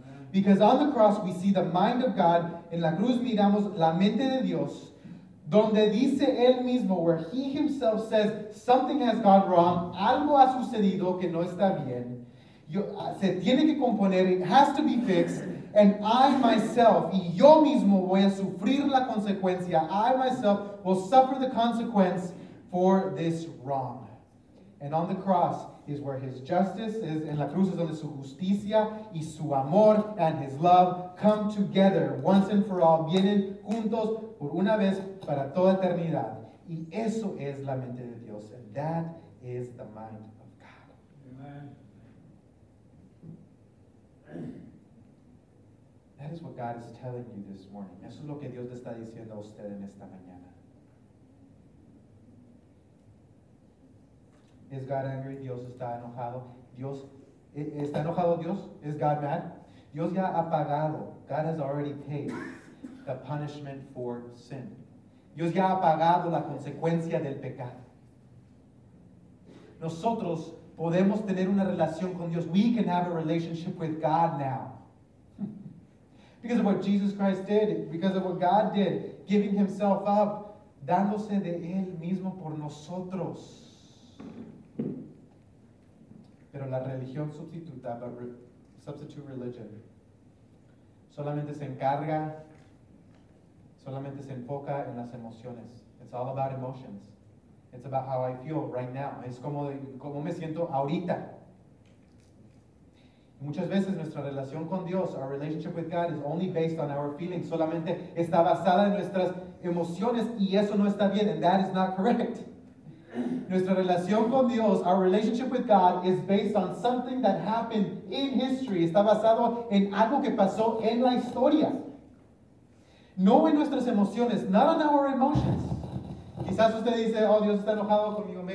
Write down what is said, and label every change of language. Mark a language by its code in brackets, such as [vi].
[en] Because on the cross we see the mind of God. [es] En la cruz miramos la mente de Dios. Donde dice él mismo, [en] where he himself says, something has gone wrong. [es] Algo ha sucedido que no está bien. Se tiene que componer. [en] It has to be fixed. And I myself, [es] y yo mismo voy a sufrir la consecuencia. [en] I myself will suffer the consequence for this wrong. And on the cross is where his justice is, [es] en la cruz es donde su justicia y su amor [en] and his love come together once and for all, [es] vienen juntos por una vez para toda eternidad. Y eso es la mente de Dios, [en] and that is the mind of God. [es] Amen. [en] That is what God is telling you this morning. [es] Eso es lo que Dios le está diciendo a usted en esta mañana. [en] Is God angry? [es] Dios está enojado. Dios, ¿está enojado Dios? [en] Is God mad? [es] Dios ya ha pagado. [en] God has already paid the punishment for sin. [es] Dios ya ha pagado la consecuencia del pecado. Nosotros podemos tener una relación con Dios. [en] We can have a relationship with God now. Because of what Jesus Christ did, because of what God did, giving himself up, [es] dándose de él mismo por nosotros. Pero la religión sustituta, [en] substitute religion, [es] solamente se encarga, solamente se enfoca en las emociones. [en] It's all about emotions. It's about how I feel right now. [es] Es como me siento ahorita. Muchas veces nuestra relación con Dios, [en] our relationship with God, is only based on our feelings. [es] Solamente está basada en nuestras emociones, y eso no está bien, [en] and that is not correct. [es] Nuestra relación con Dios, [en] our relationship with God, is based on something that happened in history. [es] Está basado en algo que pasó en la historia. No en nuestras emociones, [en] not on our emotions. [es] Quizás usted dice, oh, Dios está enojado conmigo.